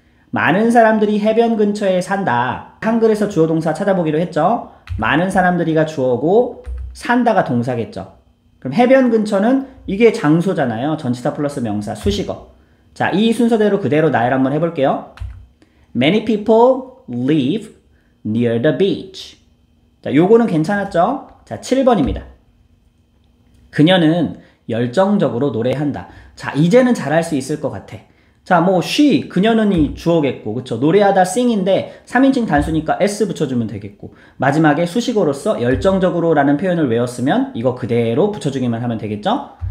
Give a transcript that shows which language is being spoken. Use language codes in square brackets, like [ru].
[ko] 많은 사람들이 해변 근처에 산다. 한글에서 주어 동사 찾아보기로 했죠. 많은 사람들이가 주어고 산다가 동사겠죠. 그럼 해변 근처는 이게 장소잖아요. 전치사 플러스 명사 수식어. 자, 이 순서대로 그대로 나열 한번 해볼게요. [en] Many people live near the beach. [ko] 자, 요거는 괜찮았죠? 자, 7번입니다. 그녀는 열정적으로 노래한다. 자, 이제는 잘할 수 있을 것 같아. 자, 뭐 she, 그녀는 이 주어겠고, 그쵸? 노래하다 sing인데 3인칭 단수니까 s 붙여주면 되겠고, 마지막에 수식어로서 열정적으로라는 표현을 외웠으면 이거 그대로 붙여주기만 하면 되겠죠?